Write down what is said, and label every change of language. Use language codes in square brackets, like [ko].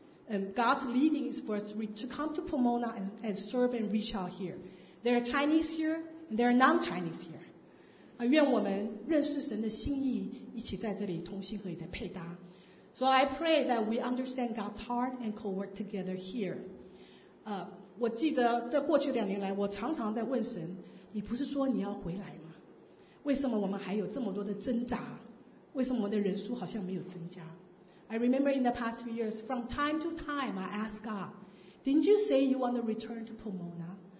[en] And God's leading is for us to come to Pomona and serve and reach out here. There are Chinese here, and there are non-Chinese here. [zh] 愿我们认识神的心意，一起在这里同心合意的配搭。 [en] So I pray that we understand God's heart and co-work together here. [zh] 我记得在过去两年来，我常常在问神，你不是说你要回来吗？为什么我们还有这么多的挣扎？为什么我们的人数好像没有增加？ [en] I remember in the past few years, from time to time, I asked God, didn't you say you want to return to Pomona?